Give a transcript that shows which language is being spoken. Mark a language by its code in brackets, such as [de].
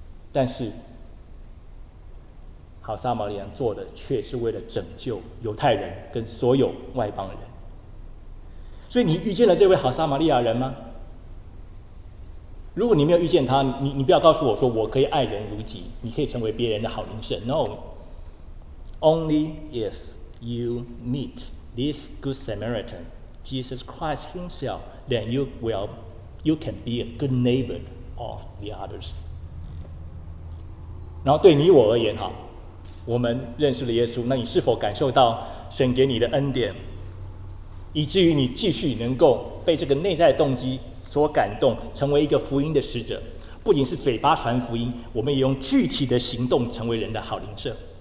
[zh] 但是好撒玛利亚人做的却是为了拯救犹太人跟所有外邦人。所以你遇见了这位好撒玛利亚人吗？如果你没有遇见他，你不要告诉我说我可以爱人如己，你可以成为别人的好邻舍。 [en] No, only if you meet this good Samaritan Jesus Christ himself, then you can be a good neighbor of the others. [zh] 然后对你我而言哈，我们认识了耶稣，那你是否感受到神给你的恩典，以至于你继续能够被这个内在动机所感动，成为一个福音的使者？不仅是嘴巴传福音，我们也用具体的行动成为人的好邻舍。